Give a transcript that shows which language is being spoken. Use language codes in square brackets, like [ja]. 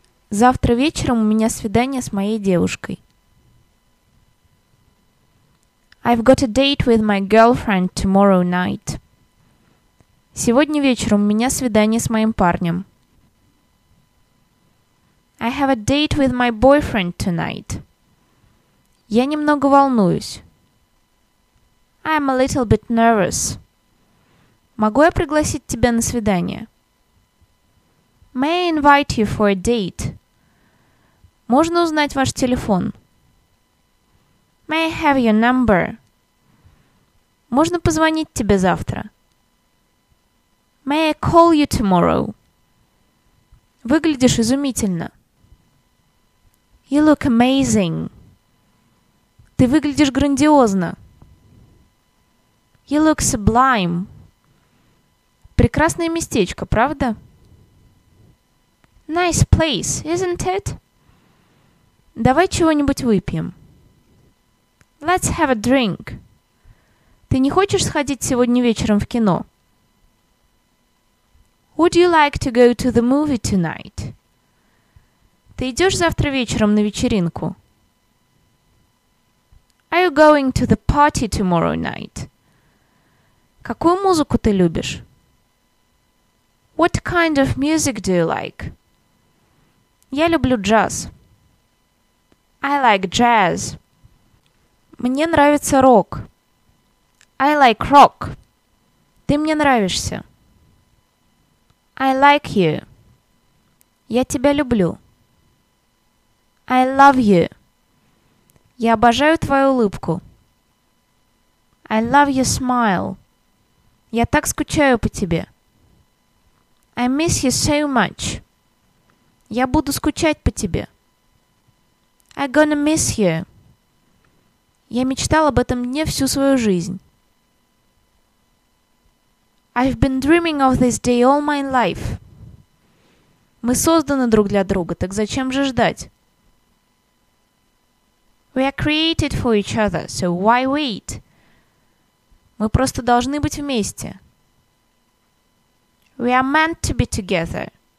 [ru] Завтра вечером у меня свидание с моей девушкой. [en] I've got a date with my girlfriend tomorrow night. [ru] Сегодня вечером у меня свидание с моим парнем. [en] I have a date with my boyfriend tonight. [ru] Я немного волнуюсь. [en] I'm a little bit nervous. [ru] Могу я пригласить тебя на свидание? [en] May I invite you for a date? [ru] Можно узнать ваш телефон? [en] May I have your number? [ru] Можно позвонить тебе завтра? [en] May I call you tomorrow? [ru] Выглядишь изумительно. [en] You look amazing. [ru] Ты выглядишь грандиозно. [en] You look sublime. [ru] Прекрасное местечко, правда? [en] Nice place, isn't it? [ru] Давай чего-нибудь выпьем. [en] Let's have a drink. [ru] Ты не хочешь сходить сегодня вечером в кино? [en] Would you like to go to the movie tonight? [ru] Ты идешь завтра вечером на вечеринку? [en] Are you going to the party tomorrow night? [ru] Какую музыку ты любишь? [en] What kind of music do you like? [ru] Я люблю джаз. [en] I like jazz. [ru] Мне нравится рок. [en] I like rock. [ru] Ты мне нравишься. [en] I like you. [ru] Я тебя люблю. [en] I love you. [ru] Я обожаю твою улыбку. [en] I love your smile. [ru] Я так скучаю по тебе. [en] I miss you so much. [ru] Я буду скучать по тебе. [en] I'm gonna miss you. [ru] Я мечтал об этом дне всю свою жизнь. [en] I've been dreaming of this day all my life. [ru] Мы созданы друг для друга, так зачем же ждать? [en] We are created for each other, so why wait? [ru] Мы просто должны быть вместе. [en] We are meant to be together.